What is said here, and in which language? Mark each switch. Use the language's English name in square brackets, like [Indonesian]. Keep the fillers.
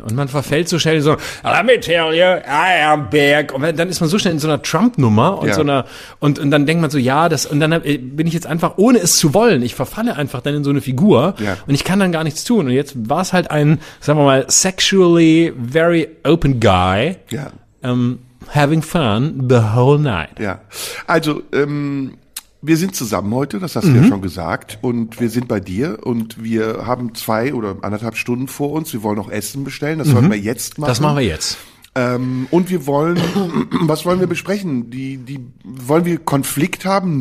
[German] Und man verfällt so schnell in so, [English] let me tell you, I am back. [German] Und wenn- dann ist man so schnell in so einer Trump-Nummer und Ja. so einer, und, und dann denkt man so, ja, das, und dann hab- bin ich jetzt einfach, ohne es zu wollen, ich verfalle einfach dann in so eine Figur Ja. und ich kann dann gar nichts tun. Und jetzt war es halt ein, sagen wir mal, [English] sexually very open guy, [German] Ja. [English] ähm, having fun the whole night. [German] Ja, also ähm, wir sind zusammen heute, das hast du ja schon gesagt, und wir sind bei dir und wir haben zwei oder anderthalb Stunden vor uns. Wir wollen noch Essen bestellen, das wollen wir jetzt machen. Das machen wir jetzt. Ähm, und wir wollen, was wollen wir besprechen? Die, die wollen wir Konflikt haben?